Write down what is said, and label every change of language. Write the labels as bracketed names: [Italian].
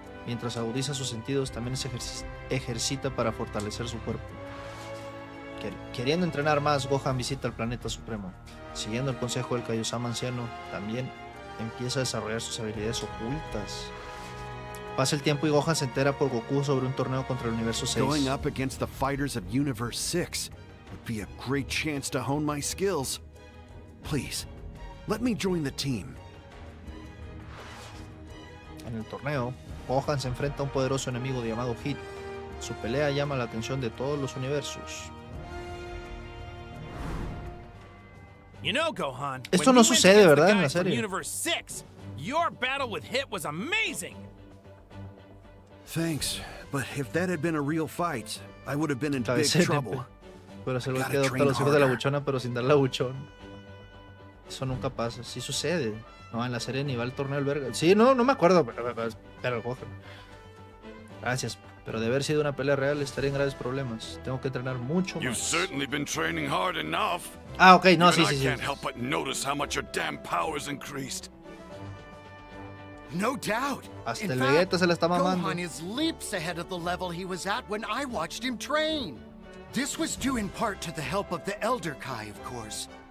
[Spanish] Mientras agudiza sus sentidos, también se ejercita para fortalecer su cuerpo. Queriendo entrenar más, Gohan visita el planeta supremo. Siguiendo el consejo del Kaiosama anciano, también empieza a desarrollar sus habilidades ocultas. Pasa el tiempo y Gohan se entera por Goku sobre un torneo contra el universo 6. [English] Going up against the fighters of universe 6 would be a great chance to hone my skills. Please, let me join the team. [Spanish] En el torneo, Gohan se enfrenta a un poderoso enemigo llamado Hit. Su pelea llama la atención de todos los universos. [English] You know, Gohan, [Spanish] esto no sucede, ¿verdad? En la serie. [English] Universe 6, your battle with Hit was amazing. Thanks, but if that had been a real fight, I would have been in big trouble. [Spanish] Pero se lo he quedado los hijos de la buchona, pero sin dar la buchón. Eso nunca pasa. Sí sucede. No, en la serie ni va al torneo del verga. Sí, no, no me acuerdo. Pero Gohan. Gracias. Pero de haber sido una pelea real, estaría en graves problemas. Tengo que entrenar mucho más. [English] Hard. [Spanish] Ah, ok, no, sí, sí, sí. [English] Can't help but notice how much your damn power's increased. No doubt. [Spanish] Hasta el Vegeta se la está mamando. [English] Gohan is leaps ahead of the level he was at when I watched him train. This was due in part to the help of the Elder Kai, of course.